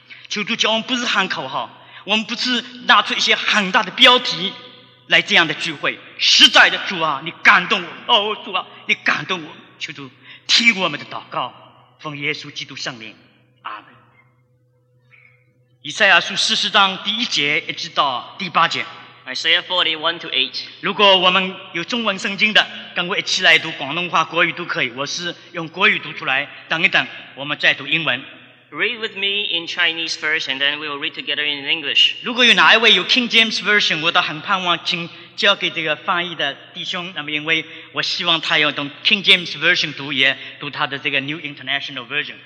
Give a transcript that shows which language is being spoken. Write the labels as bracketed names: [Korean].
[Chinese] 求主教我们不是喊口号，我们不是拿出一些很大的标题来这样的聚会，实在的主啊，你感动我，哦主啊，你感动我，求主听我们的祷告，奉耶稣基督圣灵，阿们。以赛亚书40章第1节一直到第8节。 [English] Isaiah 41:8。 [Chinese] 如果我们有中文圣经的，跟我一起来读广东话、国语都可以。我是用国语读出来，等一等，我们再读英文。 [English] Read with me in Chinese first, and then we will read together in English. [Chinese] 如果有哪一位有 King James Version, 我都很盼望请交给这个翻译的弟兄，那么因为我希望他要用 King James Version 读，也读他的这个 New International Version。